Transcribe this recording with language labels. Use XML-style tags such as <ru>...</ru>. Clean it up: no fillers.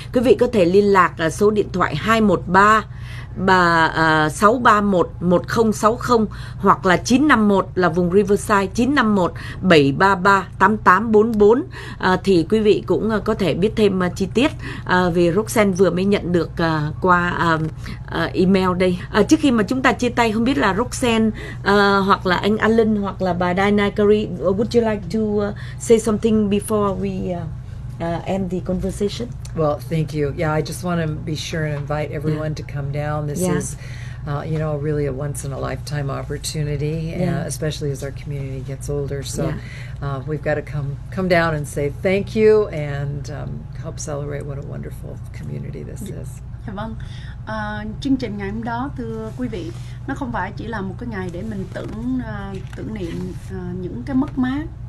<vi>Quý vị có thể liên lạc số điện thoại 213-631-1060 hoặc là 951 là vùng Riverside, 951-733-8844, thì quý vị cũng có thể biết thêm chi tiết, vì Roxanne vừa mới nhận được qua email đây. Trước khi mà chúng ta chia tay, không biết là Roxanne hoặc là anh Alan hoặc là bà Diana Curry,</vi> <en>would you like to say something before we end the conversation? Well, thank you. Yeah, I just want to be sure and invite everyone to come down. This is, you know, really a once-in-a-lifetime opportunity, especially as our community gets older. So we've got to come down and say thank you and help celebrate what a wonderful community this is.</en> <vi>Dạ vâng. Chương trình ngày hôm đó, thưa quý vị, nó không phải chỉ là một cái ngày để mình tưởng niệm những cái mất mát.</vi>